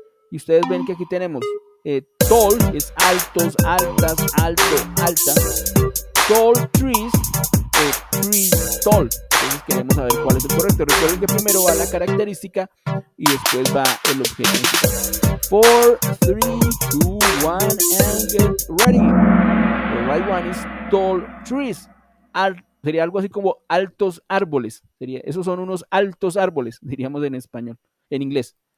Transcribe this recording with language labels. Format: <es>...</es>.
<es>Y ustedes ven que aquí tenemos tall, es altos, altas, alto, alta.</es> <en>Tall trees, trees tall.</en> <es>Entonces queremos saber cuál es el correcto. Recuerden que primero va la característica y después va el objeto.</es> <en>4, 3, 2, 1 and get ready. The right one is tall trees.</en> <es>Sería algo así como altos árboles. Sería, esos son unos altos árboles, diríamos en español, en inglés.</es>